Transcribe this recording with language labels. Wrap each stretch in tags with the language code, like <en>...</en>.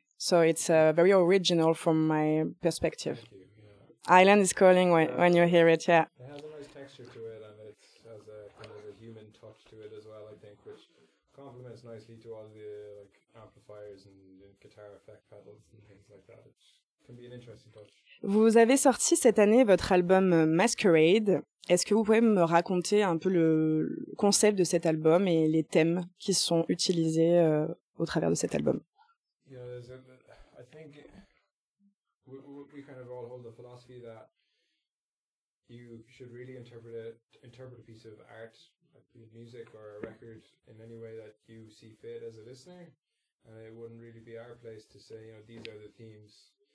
<en>So it's very original from my perspective. Thank you, yeah. Island is calling when you hear it, yeah. It has a nice texture to it and it has a kind of a human touch to it as well, I think, which complements nicely to all the like amplifiers and guitar effect pedals and things like that. It can be an interesting touch.</en> <fr>Vous avez sorti cette année votre album Masquerade. Est-ce que vous pouvez me raconter un peu le concept de cet album et les thèmes qui sont utilisés au travers de cet album?</fr> <en>Yeah, I think we kind of all hold the philosophy that you should really interpret a piece of art, music or a record in any way that you see fit as a listener, and it wouldn't really be our place to say, you know, these are the themes.</en>